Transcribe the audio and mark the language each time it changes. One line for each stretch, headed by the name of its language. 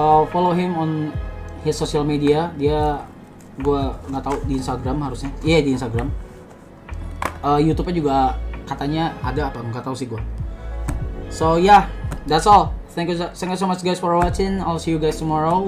English: Follow him on his social media.
Indonesian: Dia, gue gak tahu di Instagram harusnya. Iya, di Instagram. YouTube-nya juga katanya ada apa, gak tahu sih gue.
English: So yeah, that's all. Thank you so much guys for watching. I'll see you guys tomorrow.